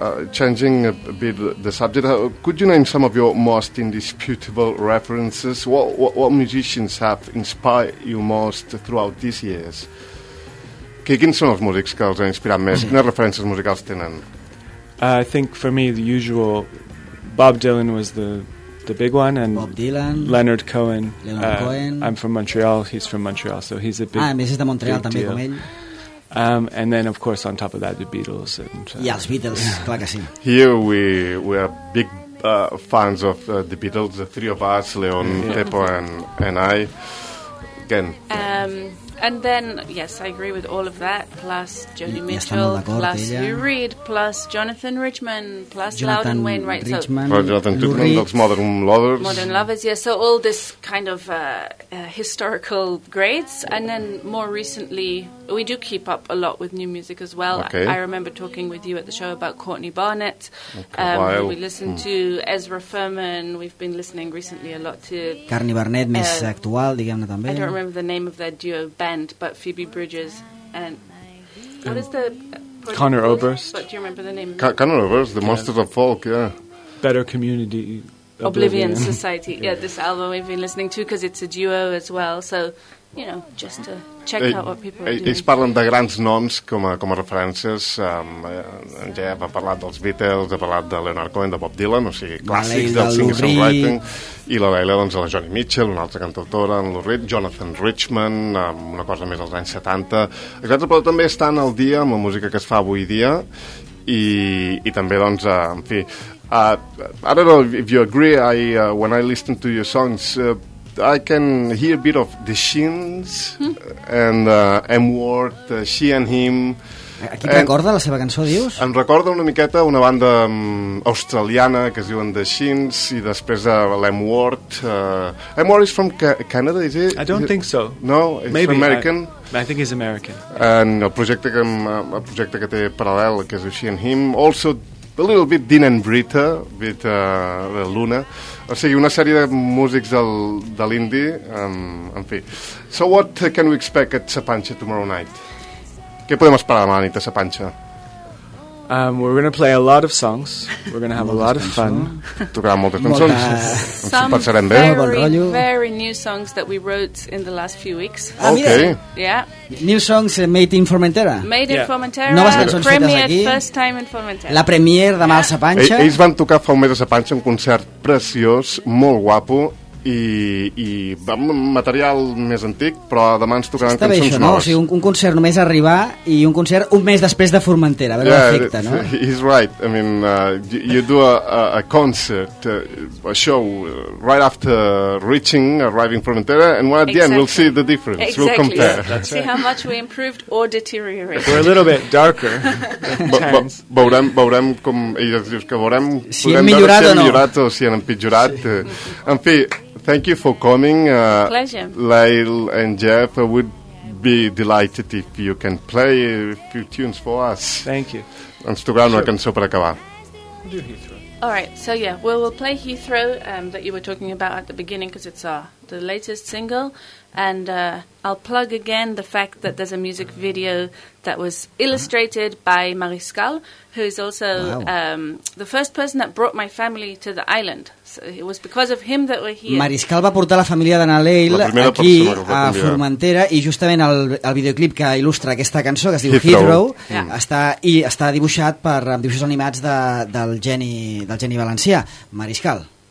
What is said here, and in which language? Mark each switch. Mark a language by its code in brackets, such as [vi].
[en] Changing a bit the subject, could you name some of your most indisputable references? What musicians have inspired you most throughout these years? [ca] Quins són els músics que els han inspirat més? Quines referències musicals tenen? [en] I think for me the usual... Bob Dylan was the big one, and Bob Dylan, Leonard Cohen. Cohen. I'm from Montreal. He's from Montreal, so he's a big. [ca] Ah, més és de Montreal també, com ell. [en] And then, of course, on top of that, the Beatles. And, yeah, the Beatles. [ca] Clar que sí. [en] Here we are big fans of the Beatles. The three of us, Leon, Pepo, and I. Again. And then, yes, I agree with all of that, plus Joni Mitchell, plus [ca] ella. [en] Lou Reed, plus Jonathan Richman, plus Loudon Wainwright. Jonathan Richman, that's Modern Lovers. Modern Lovers, yes. So all this kind of historical greats. And then more recently, we do keep up a lot with new music as well. Okay. I remember talking with you at the show about Courtney Barnett. Okay, we listened to Ezra Furman. We've been listening recently a lot to... [ca] Carney Barnett, més actual, diguem-ne, també. [en] I don't remember the name of their duo band, but Phoebe Bridges. And what is the... Connor Oberst. But do you remember the name? Connor Oberst, the Monsters of Folk, yeah. Better Community... Oblivion Society. Yeah, this album we've been listening to because it's a duo as well. So, you know, just to check out what people are doing. [ca] Ells parlen de grans noms com a referències. En Jeff ha parlat dels Beatles, ha parlat de Leonard Cohen, de Bob Dylan, o sigui, clàssics del singer-songwriting. I la Leila, doncs, la Joni Mitchell, una altra cantautora, en Lou Reed, Jonathan Richman, amb una cosa més als anys 70. Exacte, però també estan al dia amb la música que es fa avui dia. I també, doncs, en fi... [en] I don't know if you agree. When I listen to your songs, I can hear a bit of The Shins and M-Word, She and Him. [ca] A qui recorda la seva cançó, dius? Em recorda una miqueta una banda australiana que es diuen The Shins i després l'M-Word. [en] M-Word is from Canada, is it? I don't think so. No, it's maybe American. I think he's American. [ca] And el projecte que té paral·lel, que és She and Him, also... [en] A little bit Dean and Britta, bit de Luna. [ca] O sigui, una sèrie de músics de l'indi, en fi. [en] So what can we expect at Sapanxa tomorrow night? [ca] Què podem esperar demà nit a Sapanxa? [en] We're going to play a lot of songs. We're going to have a lot of fun. [ca] Tocarà moltes cançons. [en] Some very, very new songs that we wrote in the last few weeks. Okay. Yeah. New songs made in Formentera. Made in Formentera. [ca] Noves cançons fetes aquí. [en] Premiere, first time in Formentera. [ca] La premiere demà a Sapanxa. Ells van tocar fa un mes a Sapanxa un concert preciós, molt guapo, i material més antic, però demà ens tocaran cançons noves. Està bé això, no? O sigui, un concert només arribar i un concert un mes després de Formentera. A veure l'efecte, no? [en] He's right. I mean, you do a concert, a show, right after arriving Formentera, and at the end we'll see the difference. Exactly. We'll compare. Yeah, right. See how much we improved or deteriorated. We're a little bit darker. [ca] Veurem com ells dius que veurem si hem millorat si o si han empitjorat. Sí. En fi... [en] Thank you for coming. Pleasure. Lyle and Jeff, I would be delighted if you can play a few tunes for us. Thank you. [ca] Ens tocaran una cançó per acabar. [en] All right, so yeah, we'll play Heathrow that you were talking about at the beginning because it's the latest single. And I'll plug again the fact that there's a music video that was illustrated by Mariscal, who is also the first person that brought my family to the island. So it was because of him that we're here. [ca] Mariscal va portar la família d'Anna Leil aquí a Formentera i justament el videoclip que il·lustra aquesta cançó, que es diu Heathrow, està dibuixat per dibuixos animats del geni valencià, Mariscal.